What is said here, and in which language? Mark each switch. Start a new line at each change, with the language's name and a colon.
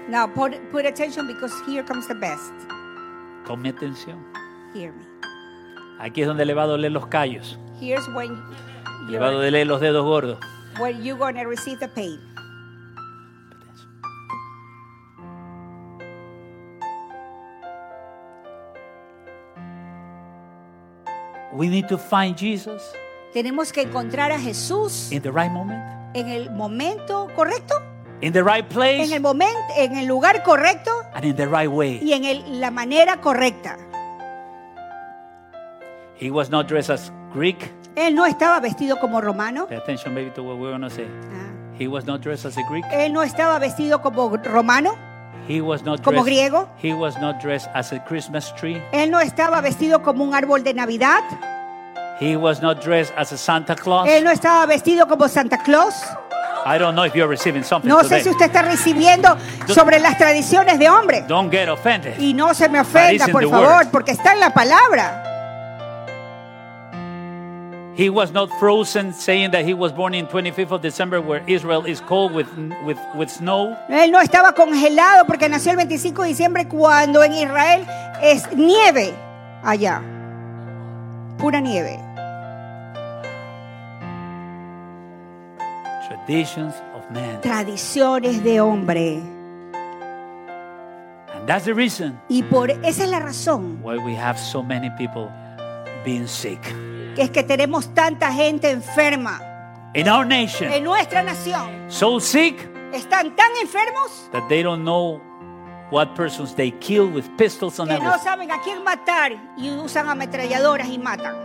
English: Now put attention because here comes the best.
Spanish: Tome atención.
English: Hear me.
Spanish: Aquí es donde le va a doler los callos.
English: Here's when
Spanish: le va a doler los dedos gordos.
English: When you're going to receive the pain. We need to find Jesus.
Spanish: Tenemos que encontrar a Jesús.
English: In the right moment.
Spanish: En el momento correcto.
English: In the right place.
Spanish: En el momento, en el lugar correcto.
English: And in the right way.
Spanish: Y en la manera correcta.
English: He was not dressed as Greek.
Spanish: Él no estaba vestido como romano.
English: Pay attention, baby, to what we're going to say. He was not dressed as a Greek.
Spanish: Él no estaba vestido como romano.
English: He was not
Spanish: como griego.
English: He was not dressed as a Christmas tree.
Spanish: Él no estaba vestido como un árbol de Navidad.
English: He was not dressed as a Santa Claus.
Spanish: Él no estaba vestido como Santa Claus.
English: I don't know if you're receiving something
Spanish: no
English: today.
Spanish: Sé si usted está recibiendo sobre las tradiciones de hombre.
English: Don't get offended.
Spanish: Y no se me ofenda, por favor, porque está en la palabra.
English: He was not frozen, saying that he was born in 25th of December, where Israel is cold with snow.
Spanish: Él no estaba congelado porque nació el 25 de diciembre cuando en Israel es nieve allá. Pura nieve.
English: Traditions of men.
Spanish: Tradiciones de hombre.
English: And that's the reason.
Spanish: Y por esa es la razón.
English: Why we have so many people being sick.
Spanish: Que es que tenemos tanta gente enferma.
English: In our nation.
Spanish: En nuestra nación.
English: So sick.
Spanish: Están tan enfermos.
English: That they don't know what persons they kill with pistols and everything.
Spanish: No saben a quién matar y usan ametralladoras y matan.